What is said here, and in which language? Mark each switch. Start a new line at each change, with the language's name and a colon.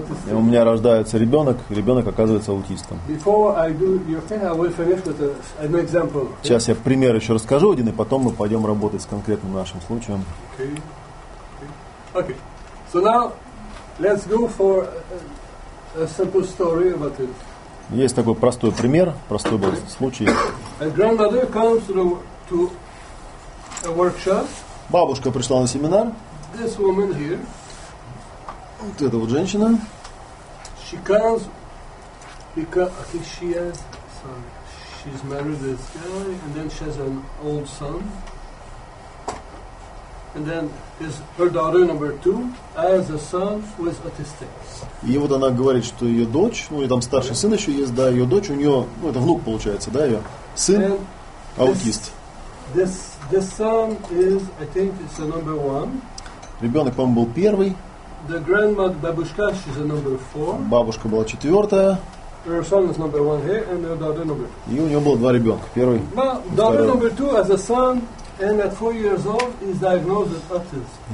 Russian: И у меня рождается ребенок, ребенок оказывается аутистом. Сейчас я пример еще расскажу один, и потом мы пойдем работать с конкретным нашим случаем.
English: Okay. Okay. So now let's go for a simple story about it.
Russian: Есть такой простой пример, простой был случай.
English: A grandmother comes to a workshop.
Russian: Бабушка пришла на семинар.
English: This woman here.
Russian: Вот эта вот женщина.
English: She comes because okay, she has son. She's married this guy, and then she has an old son. And then his her daughter number two has a son who is autistic.
Russian: И вот она говорит, что ее дочь, ну и там старший сын еще есть, да, ее дочь, у нее, ну это внук получается, да, ее сын and аутист.
English: This son is, I think, it's the number one.
Russian: Ребенок, по-моему, был первый.
English: The grandmother,
Russian: бабушка,
English: she's a number four.
Russian: Бабушка была четвертая.
English: Her son is number one here, and her daughter number two.
Russian: И у нее было два ребенка. Первый.
English: Well, daughter
Russian: второй.
English: Number two has a son, and at 4 years old, is diagnosed with autism.